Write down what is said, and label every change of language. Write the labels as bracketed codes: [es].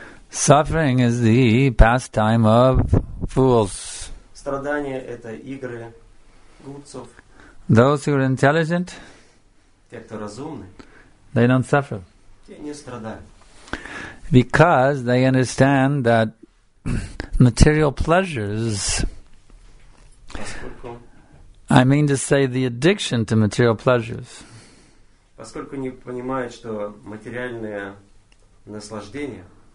[en] Suffering is the pastime of fools. [ru] Страдания — это игры глупцов. [en] Those who are intelligent, [ru] те, кто разумны, [en] they don't suffer. [ru] Те не страдают. [en] Because they understand that material pleasures, [ru] поскольку, [en] I mean to say the addiction to material pleasures, [ru] поскольку не понимают, что материальное наслаждение,